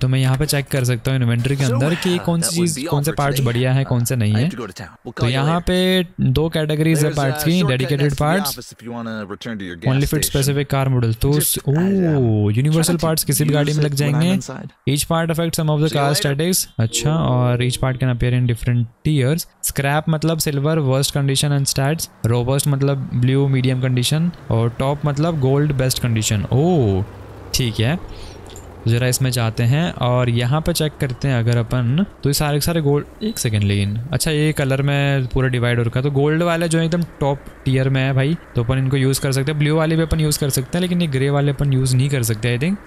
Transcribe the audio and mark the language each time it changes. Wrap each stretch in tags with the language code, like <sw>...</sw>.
<hi>तो मैं यहां पे चेक कर सकता हूं इन्वेंटरी के अंदर कि कौन सी चीज, कौन से पार्ट्स बढ़िया है, कौन से नहीं है। तो यहां पे दो कैटेगरीज है पार्ट्स की,</hi> <en>Dedicated parts only fit specific car model.</en> <hi>तो ओ यूनिवर्सल पार्ट्स किसी भी गाड़ी में लग जाएंगे।</hi> <en>Each part affect some of the car statics. अच्छा, और each part can appear in tiers, scrap मतलब silver, worst condition and stats, robust मतलब blue, medium condition और top मतलब gold, best condition।</en> <hi>oh, ठीक है, जरा इसमें जाते हैं और यहाँ पे चेक करते हैं अगर अपन, तो ये सारे सारे गोल्ड, एक सेकेंड लेकिन, अच्छा ये कलर में पूरा डिवाइड हो रखा है। तो गोल्ड वाले जो एकदम टॉप टीयर में है भाई, तो अपन इनको यूज़ कर सकते हैं। ब्लू वाले भी अपन यूज़ कर सकते हैं, लेकिन ये ग्रे वाले अपन यूज़ नहीं कर सकते आई थिंक।</hi>